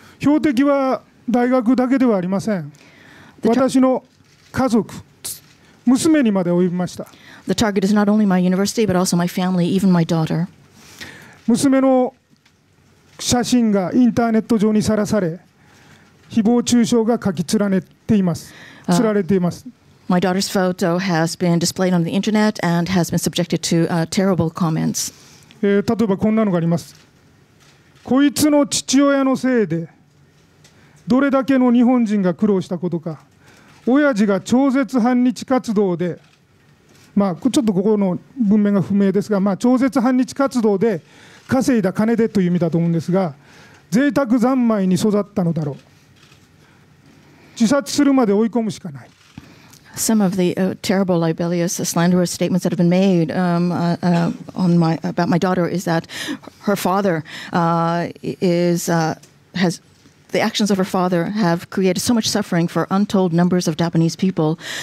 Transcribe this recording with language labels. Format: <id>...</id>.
<ja>標的は大学だけではありません。私の家族、娘にまで及びました。</ja> <en>The target is not only my university, but also my family, even my daughter.</en> <ja>娘の写真がインターネット上にさらされ、誹謗中傷が書き連ねています。つられています。</ja> <en>My daughter's photo has been displayed on the internet and has been subjected to terrible comments.</en> <ja>例えばこんなのがあります。こいつの父親のせいでどれだけの日本人が苦労したことか。親父が超絶反日活動でまあ、ちょっとここの文面が不明ですが、まあ、超絶反日活動で稼いだ金でという意味だと思うんですが、贅沢三昧に育ったのだろう、自殺するまで追い込むしかない。</ja> <en>Some of the terrible, libelous, slanderous statements that have been made about my daughter is that her father has the actions of her father have created so much suffering for untold numbers of Japanese people.</en>